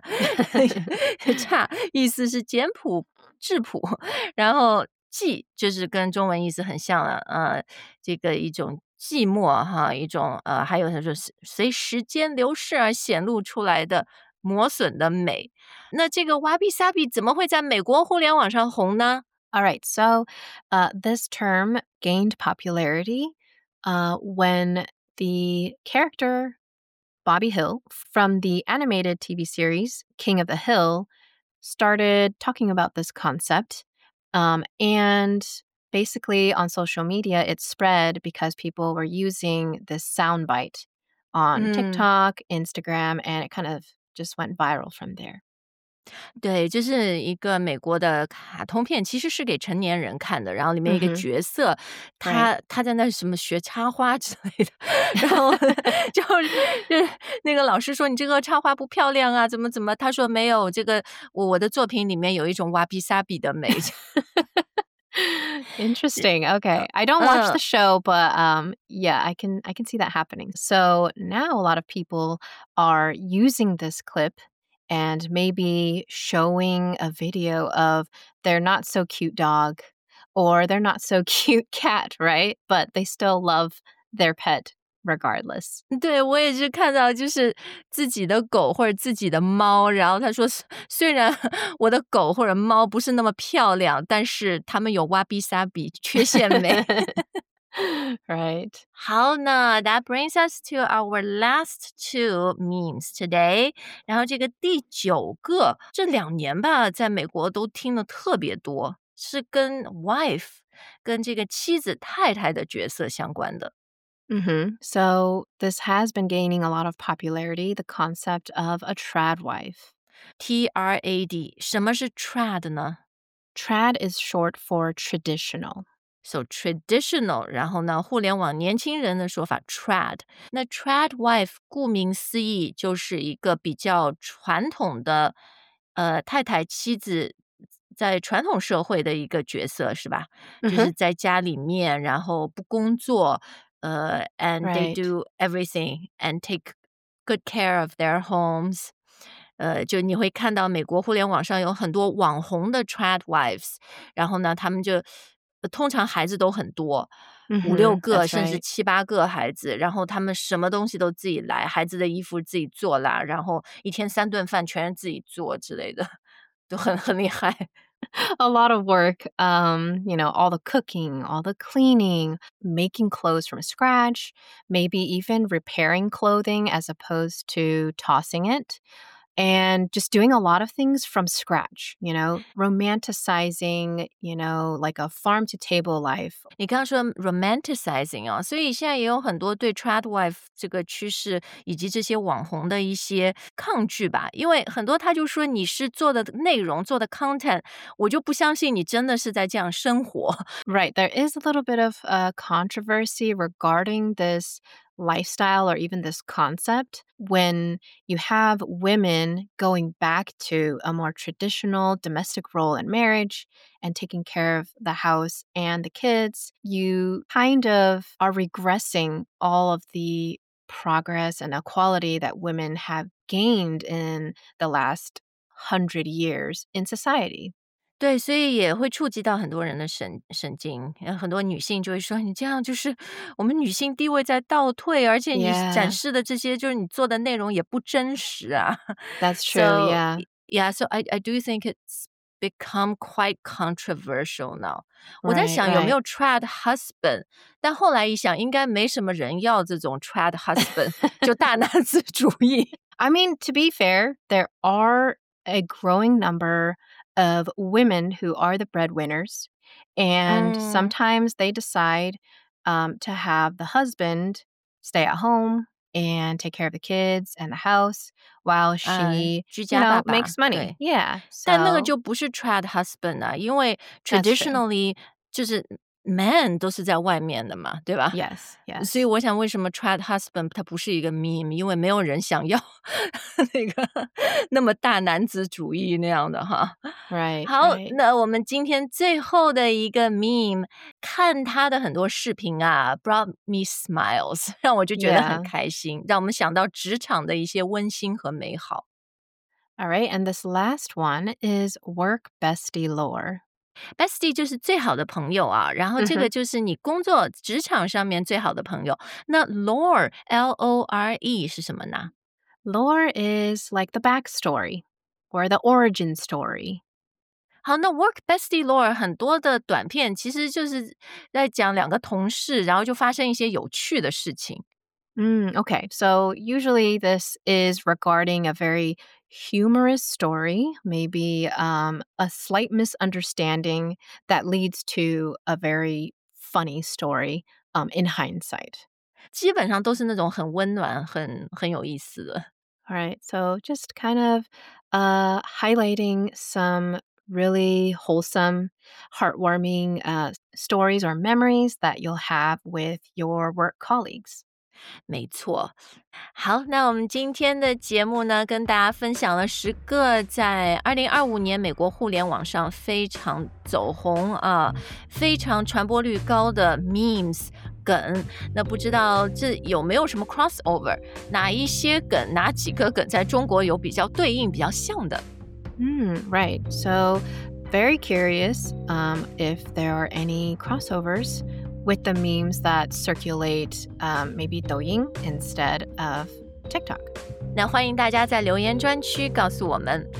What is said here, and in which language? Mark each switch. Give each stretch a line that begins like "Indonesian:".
Chinese: 侘意思是简朴质朴，然后寂就是跟中文意思很像了，这个一种寂寞哈，一种还有它就是随时间流逝而显露出来的磨损的美。那这个 wabi-sabi 怎么会在美国互联网上红呢？
English: All right, so this term gained popularity when the character Bobby Hill from the animated TV series King of the Hill started talking about this concept. And basically on social media, it spread because people were using this soundbite on TikTok, Instagram, and it kind of... just went viral from there.
Chinese: 对，就是一个美国的卡通片，其实是给成年人看的，然后里面一个角色，他在那什么学插花之类的，然后就那个老师说你这个插花不漂亮啊，怎么怎么，他说没有，这个我的作品里面有一种 wabi-sabi 的美。
English: Interesting. Okay. I don't watch the show, but yeah, I can see that happening. So now a lot of people are using this clip and maybe showing a video of their not so cute dog or their not so cute cat, right? But they still love their pet. Regardless.
Chinese: 对，我也是看到就是自己的狗或者自己的猫，然后他说虽然我的狗或者猫不是那么漂亮，但是他们有 wabi-sabi 缺陷美。
English: Right.
Chinese: 好，那
English: that brings us to our last two memes today.
Chinese: 然后这个第九个，这两年吧，在美国都听的特别多，是跟 wife, 跟这个妻子太太的角色相关的。 Mm-hmm.
English: So this has been gaining a lot of popularity, the concept of a trad wife.
Chinese: T-R-A-D. 什么是 trad 呢?
English: Trad is short for traditional. So traditional,
Chinese: 然后呢互联网年轻人的说法 trad. 那 trad wife 顾名思义就是一个比较传统的太太妻子在传统社会的一个角色是吧、mm-hmm. 就是在家里面然后不工作
English: and、 right. they do everything and take good care of their homes.
Chinese: 就你会看到美国互联网上有很多网红的 trad wives, 然后呢他们就通常孩子都很多、 mm-hmm, 五六个、
English: right.
Chinese: 甚至七八个孩子然后他们什么东西都自己来孩子的衣服自己做啦然后一天三顿饭全是自己做之类的都很厉害。
English: A lot of work, you know, all the cooking, all the cleaning, making clothes from scratch, maybe even repairing clothing as opposed to tossing it. And just doing a lot of things from scratch, you know, romanticizing, you know, like a farm-to-table life.
Chinese: 你刚刚说 romanticizing 哦，所以现在也有很多对 trad wife 这个趋势以及这些网红的一些抗拒吧。因为很多他就说你是做的内容，做的 content, 我就不相信你真的是在这样生活。
English: Right, there is a little bit of a controversy regarding this. Lifestyle or even this concept when you have women going back to a more traditional domestic role in marriage and taking care of the house and the kids, you kind of are regressing all of the progress and equality that women have gained in the last 100 years in society.
Chinese: 对，所以也会触及到很多人的神经，很多女性就会说，你这样就是我们女性地位在倒退，而且你展示的这些就是你做的内容也不真实啊。
English: That's true, so, yeah. Yeah, so I do think it's become quite controversial now. Right,
Chinese: 我在想有没有 trad husband,、
English: right.
Chinese: 但后来一想应该没什么人要这种 trad husband, 就大男子主义。
English: I mean, to be fair, there are a growing numberof women who are the breadwinners, and、mm. sometimes they decide、to have the husband stay at home and take care of the kids and the house while she, you know, makes money. Yeah. So,
Chinese: 但那个就不是 trad husband 啊，因为 traditionally 就是 man 都是在外面的嘛，对吧
English: ？Yes. Yes.
Chinese: 所以我想，为什么 trad husband 它不是一个 meme？因为没有人想要那个那么大男子主义那样的哈。
English: Right,
Chinese: 好
English: right.
Chinese: 那我们今天最后的一个 meme 看他的很多视频啊
English: brought me smiles
Chinese: 让我就觉得很开心、
English: yeah.
Chinese: 让我们想到职场的一些温馨和美好
English: Alright, and this last one is work bestie lore
Chinese: Bestie 就是最好的朋友啊然后这个就是你工作职场上面最好的朋友那 lore L-O-R-E 是什么呢
English: Lore is like the backstory or the origin story
Chinese: 好，那 work bestie lore 很多的短片其实就是在讲两个同事，然后就发生一些有趣的事情。
English: Okay, so usually this is regarding a very humorous story, maybe a slight misunderstanding that leads to a very funny story in hindsight.
Chinese: 基本上都是那种很温暖、很有意思的。
English: All right, so just kind of highlighting some. Really wholesome, heartwarming stories or memories that you'll have with your work colleagues.
Chinese: 没错。好，那我们今天的节目呢，跟大家分享了十个在2025年美国互联网上非常走红啊，非常传播率高的 memes。梗，那不知道这有没有什么 crossover？哪一些梗，哪几个梗在中国有比较对应、比较像的？
English: Right. So, very curious if there are any crossovers with the memes that circulate maybe Douyin instead of TikTok.
Chinese: 那欢迎大家在留言专区告诉我们。